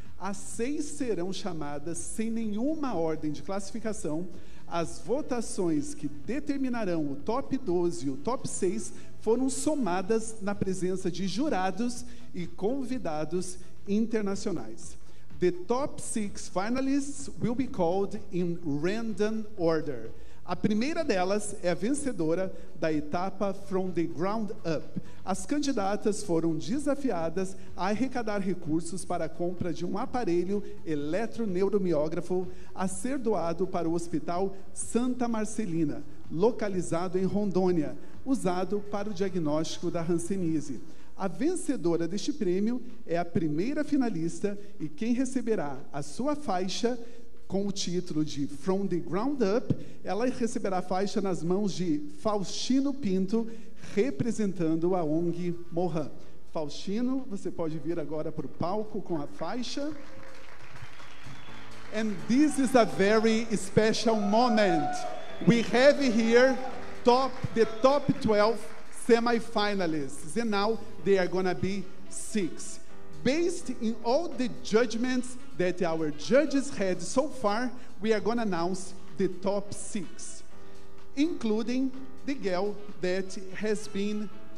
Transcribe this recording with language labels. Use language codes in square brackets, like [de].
[pt] As 6 serão chamadas sem nenhuma ordem de classificação. As votações que determinarão o top 12 e o top 6 foram somadas na presença de jurados e convidados internacionais. [en] The top 6 finalists will be called in random order. [pt] A primeira delas é a vencedora da etapa From the Ground Up. As candidatas foram desafiadas a arrecadar recursos para a compra de um aparelho eletroneuromiógrafo a ser doado para o Hospital Santa Marcelina, localizado em Rondônia, usado para o diagnóstico da hanseníase. A vencedora deste prêmio é a primeira finalista e quem receberá a sua faixa com o título de From the Ground Up, ela receberá a faixa nas mãos de Faustino Pinto, representando a ONG Mohan. Faustino, você pode vir agora para o palco com a faixa. [en] And this is a very special moment. We have here the top 12 semi-finalists, and now they are going to be 6. Based in all the judgments that our judges had so far, we are going to announce the top 6, including the girl that has been